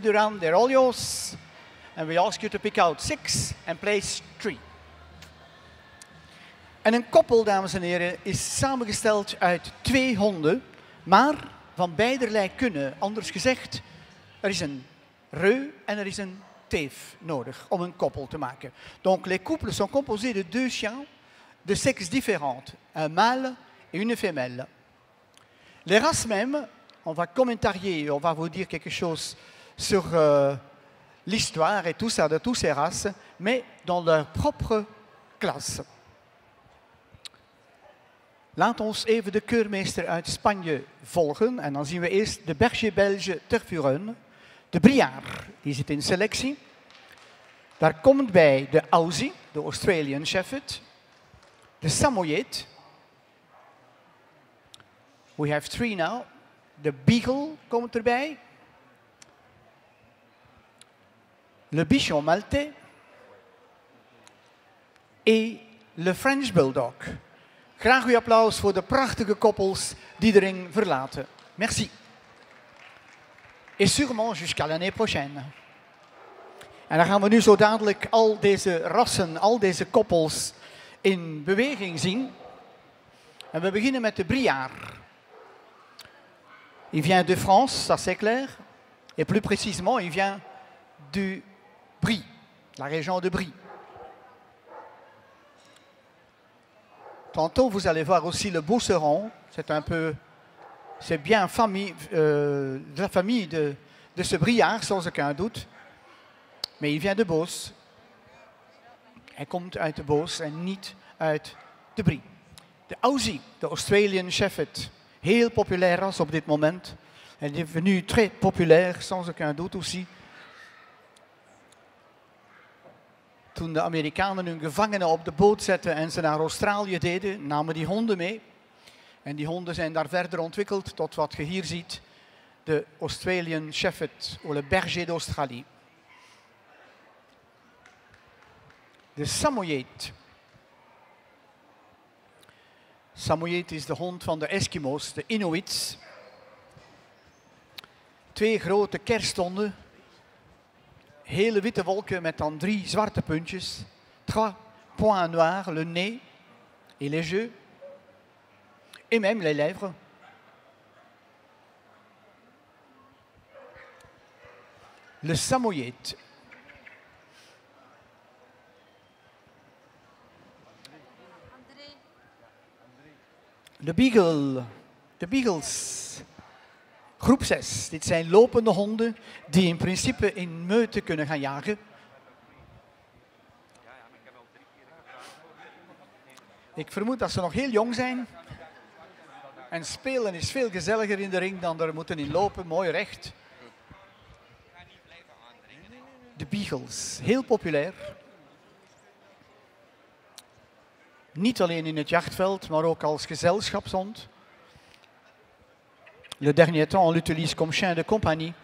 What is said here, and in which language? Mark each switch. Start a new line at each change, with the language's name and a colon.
English: Duran, they're all yours, and we ask you to pick out six and place three.
Dutch: En een koppel, dames en heren, is samengesteld uit twee honden, maar van beiderlei kunnen. Anders gezegd, er is een reu en er is een teef nodig om een koppel te maken.
French: Donc les couples sont composés de deux chiens de sexes différents, un mâle et une femelle. Les races mêmes, on va commentarier, on va vous dire quelque chose sur l'histoire et tout ça de toutes ces races, mais dans leur propre classe.
Dutch: Laat ons even de keurmeester uit Spanje volgen. En dan zien we eerst de berger belge Tervuren. De Briard, die zit in selectie. Daar komt bij de Aussie, de Australian Shepherd. De Samoyed.
English: We have three now.
Dutch: De Beagle komt erbij.
French: Le Bichon Maltais. En le French Bulldog.
Dutch: Graag uw applaus voor de prachtige koppels die de ring verlaten. Merci.
French: Et sûrement jusqu'à l'année prochaine.
Dutch: En dan gaan we nu zo dadelijk al deze rassen, al deze koppels in beweging zien. En we beginnen met de Briard.
French: Il vient de France, ça c'est clair. Et plus précisément, il vient du Brie, la région de Brie. Tantôt, vous allez voir aussi le Beauceron. C'est un peu, c'est bien famille, de la famille de ce Briard, sans aucun doute. Mais il vient de Beauce.
Dutch: Hij komt uit de Beauce en niet uit de Brie. De Aussie, de Australian Shepherd. Heel populair ras op dit moment.
French: Hij est devenu très populaire, sans aucun doute aussi.
Dutch: toen de Amerikanen hun gevangenen op de boot zetten en ze naar Australië deden, namen die honden mee. En die honden zijn daar verder ontwikkeld tot wat je hier ziet, de Australian Shepherd, of
French: le berger d'Australie.
Dutch: De Samoyed. Samoyed is de hond van de Eskimo's, de Inuits. Twee grote kersthonden. Hele witte wolken met dan drie zwarte puntjes.
French: Trois points noirs, le nez et les yeux. Et même les lèvres. Le Samoyed.
Dutch: De Beagle, de Beagles, groep 6. Dit zijn lopende honden die in principe in meute kunnen gaan jagen. Ik vermoed dat ze nog heel jong zijn. En spelen is veel gezelliger in de ring dan er moeten in lopen, mooi recht. De Beagles, heel populair. Niet alleen in het jachtveld, maar ook als gezelschapshond.
French: Le dernier temps, on l'utilise comme chien de compagnie.